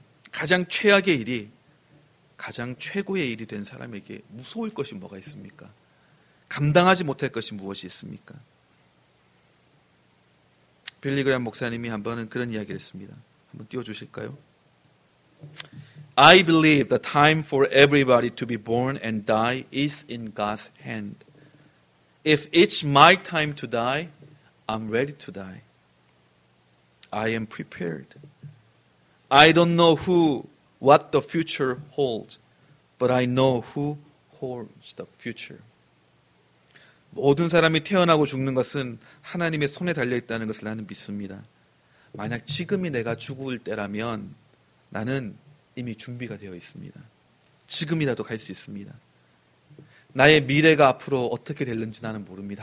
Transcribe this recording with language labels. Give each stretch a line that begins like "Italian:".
Korean: 가장 최악의 일이 가장 최고의 일이 된 사람에게 무서울 것이 뭐가 있습니까? 감당하지 못할 것이 무엇이 있습니까? 빌리 그램 목사님이 한번은 그런 이야기를 했습니다. 한번 띄워주실까요?
English: I believe the time for everybody to be born and die is in God's hand. If it's my time to die, I'm ready to die. I am prepared. I don't know who, what the future holds, but I know who holds the future.
Korean: 모든 사람이 태어나고 죽는 것은 하나님의 손에 달려있다는 것을 나는 믿습니다. 만약 지금이 내가 죽을 때라면 나는 이미 준비가 되어 있습니다. 지금이라도 갈 수 있습니다. 나의 미래가 앞으로 어떻게 될는지 나는 모릅니다.